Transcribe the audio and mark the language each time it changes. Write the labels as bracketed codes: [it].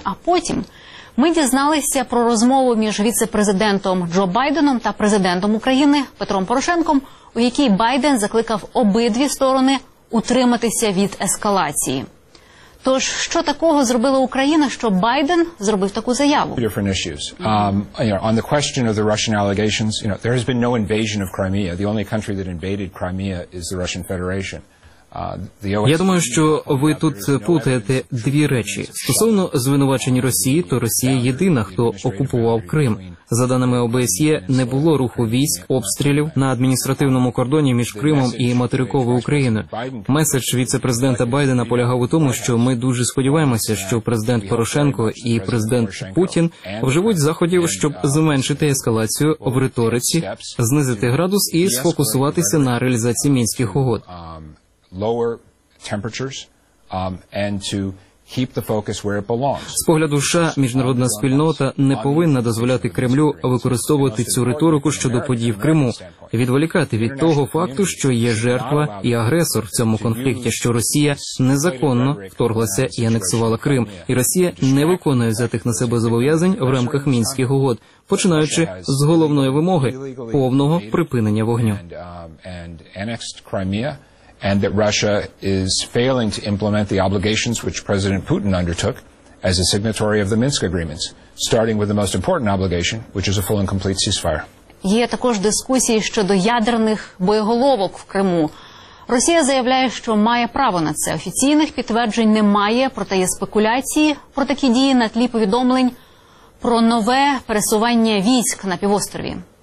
[uk] А потім ми дізналися про розмову між віцепрезидентом Джо Байденом та президентом України Петром Порошенком, у якій Байден закликав обидві сторони утриматися від ескалації. Тож, що такого зробила Україна, що Байден зробив таку заяву? [en] The only country that invaded Crimea is the Russian Federation. [uk] Я думаю, що ви тут плутаєте дві речі. Стосовно звинувачень Росії, то Росія єдина, хто окупував Крим. За даними ОБСЄ, не було руху військ, обстрілів на адміністративному кордоні між Кримом і материковою Україною. Меседж віце-президента Байдена полягав у тому, що ми дуже сподіваємося, що президент Порошенко і президент Путін вживуть заходів, щоб зменшити ескалацію в риториці, знизити градус і сфокусуватися на реалізації Мінських угод. [en] Lower temperatures and to keep the focus where it belongs. [uk] З погляду США, міжнародна спільнота не повинна дозволяти Кремлю використовувати цю риторику щодо подій в Криму, відволікати від того факту, що є жертва і агресор в цьому конфлікті, що Росія незаконно вторглася і анексувала Крим, і Росія не виконує взятих на себе зобов'язань в рамках Мінських угод, починаючи з головної вимоги повного припинення вогню. [en] And that Russia is failing to implement the obligations which President Putin undertook as a signatory of the Minsk agreements, starting with the most important obligation, which is a full and complete ceasefire. [uk] Є також дискусії щодо ядерних боєголовок в Криму. Росія заявляє, що має право на це. Офіційних підтверджень немає, проте є спекуляції про такі дії на тлі повідомлень про нове пересування військ на півострові.